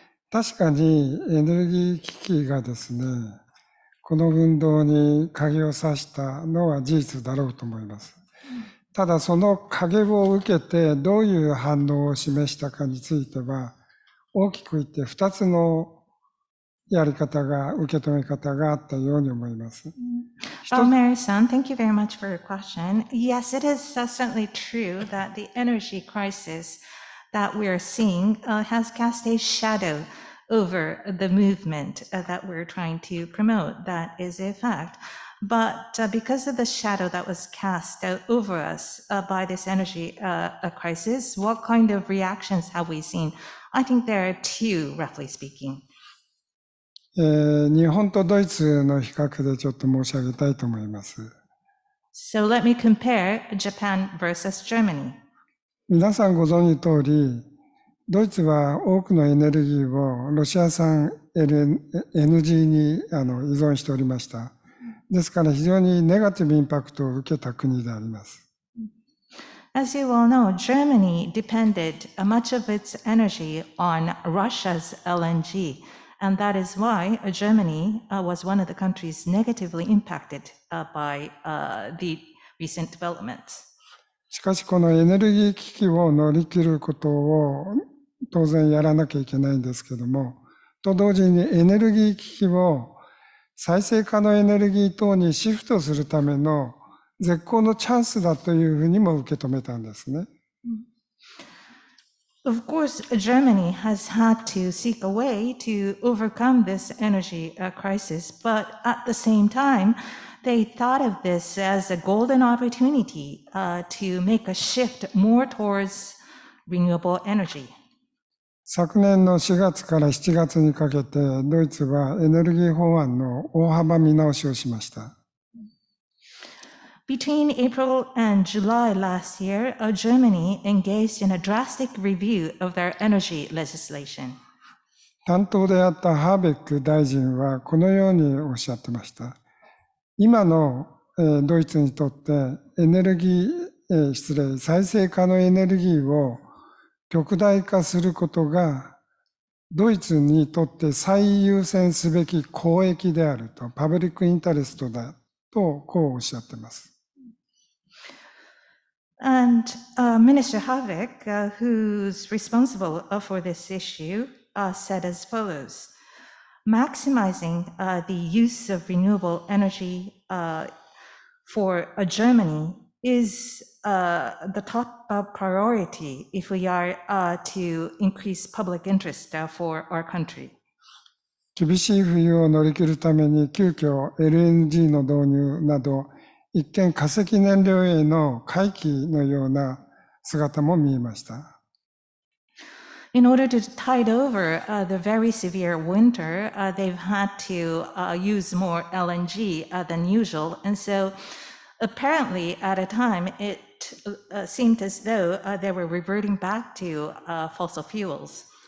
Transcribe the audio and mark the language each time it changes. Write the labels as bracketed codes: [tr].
[ja] 確かにエネルギー危機がですね、この運動に影を差したのは事実だろうと思います。ただその影を受けてどういう反応を示したかについては、大きく言って2つのやり方が、受け止め方があったように思います。 [en] Balmer-san, thank you very much for your question. Yes, it is certainly true that the energy crisis that we are seeing has cast a shadow. Over the movement that we're trying to promote. That is a fact. But because of the shadow that was cast over us by this energy crisis, what kind of reactions have we seen? I think there are two, roughly speaking. [ja] 日本とドイツの比較でちょっと申し上げたいと思います。 [en] So let me compare Japan versus Germany. [ja] 皆さんご存じの通り、ドイツは多くのエネルギーをロシア産 LNG に依存しておりました。ですから非常にネガティブインパクトを受けた国であります。 [en] As you all know, Germany depended much of its energy on Russia's LNG, and that is why Germany was one of the countries negatively impacted by the recent developments. [ja] しかしこのエネルギー危機を乗り切ることを当然やらなきゃいけないんですけども、と同時にエネルギー危機を再生可能エネルギー等にシフトするための絶好のチャンスだというふうにも受け止めたんですね。 [en] Of course, Germany has had to seek a way to overcome this energy crisis, but at the same time, they thought of this as a golden opportunity to make a shift more towards renewable energy. [ja] 昨年の4月から7月にかけて、ドイツはエネルギー法案の大幅見直しをしました。 [en] Between April and July last year, Germany engaged in a drastic review of their energy legislation. [ja] 担当であったハーベック大臣はこのようにおっしゃってました。今のドイツにとってエネルギー、失礼、再生可能エネルギーを極大化することがドイツにとって最優先すべき公益であるとパブリックインタレストだとこうおっしゃってます。 [en] And Minister Havik, who's responsible for this issue, said as follows: Maximizing the use of renewable energy for Germany is the top priority if we are to increase public interest for our country. [ja] 厳しい冬を乗り切るために急遽 LNG の導入など一見化石燃料への回帰のような姿も見えました。 [en] In order to tide over the very severe winter, they've had to use more LNG than usual, and so apparently at a time itseemed as though they were reverting back to fossil fuels.